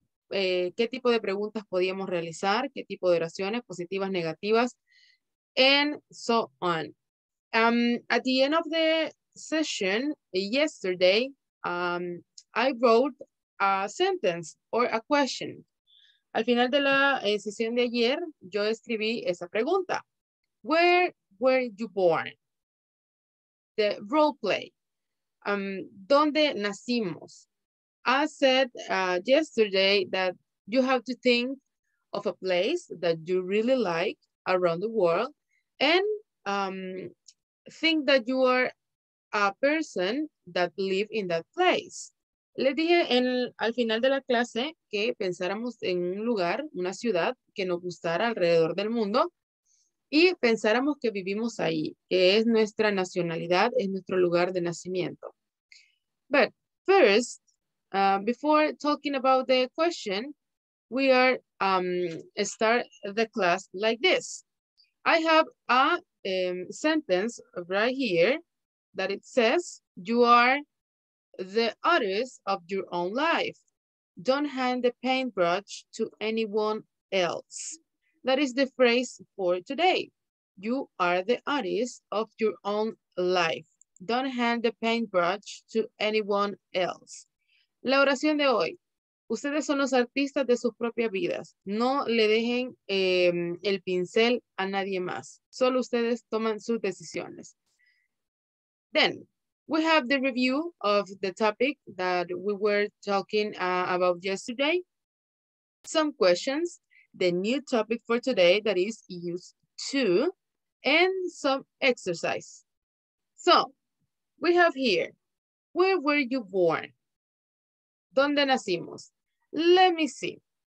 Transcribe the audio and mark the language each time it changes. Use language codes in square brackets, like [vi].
[es] ¿Qué tipo de preguntas podíamos realizar? ¿Qué tipo de oraciones? ¿Positivas, negativas? [en] And so on. At the end of the session, yesterday, I wrote a sentence or a question. [es] Al final de la sesión de ayer, yo escribí esa pregunta. [en] Where were you born? The role play. [es] ¿Dónde nacimos? [en] I said yesterday that you have to think of a place that you really like around the world and think that you are a person that live in that place. [es] Le dije al final de la clase que pensáramos en un lugar, una ciudad que nos gustara alrededor del mundo y pensáramos que vivimos ahí, que es nuestra nacionalidad, es nuestro lugar de nacimiento. [en] But first, before talking about the question, we are start the class like this. I have a sentence right here that it says, you are the artist of your own life. Don't hand the paintbrush to anyone else. That is the phrase for today. You are the artist of your own life. Don't hand the paintbrush to anyone else. [es] La oración de hoy. Ustedes son los artistas de sus propias vidas. No le dejen el pincel a nadie más. Solo ustedes toman sus decisiones. [en] Then, we have the review of the topic that we were talking about yesterday. Some questions. The new topic for today that is used to. And some exercise. So, we have here, where were you born? [es] ¿Dónde nacimos? [en] Let me see.